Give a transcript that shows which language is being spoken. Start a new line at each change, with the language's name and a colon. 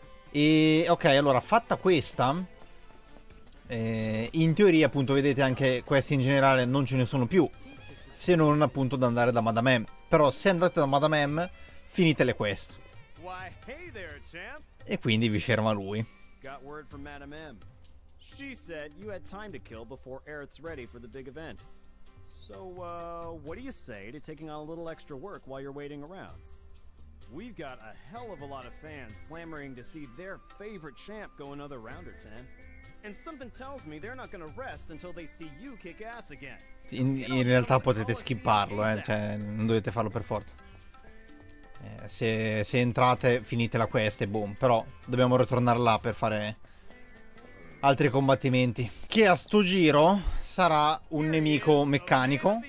Italian: E ok, allora fatta questa, in teoria appunto vedete anche questi in generale non ce ne sono più, se non appunto da andare da Madame M. Però se andate da Madame M, finite le quest.
English: Why, hey there, champ.
Italian: E quindi vi ferma lui.
English: Got word from Madame M. She said you had time to kill before Aerith's ready for the big event. So, what do you say to taking on a little extra work while you're waiting around? We've got a hell of a lot of fans clamoring to see their favorite champ go another round or ten. And something tells me they're not gonna rest until they see you kick ass again.
Italian: In realtà potete skipparlo, cioè non dovete farlo per forza. Se entrate, finite la quest e boom. Però dobbiamo ritornare là per fare altri combattimenti. Che a sto giro sarà un nemico meccanico.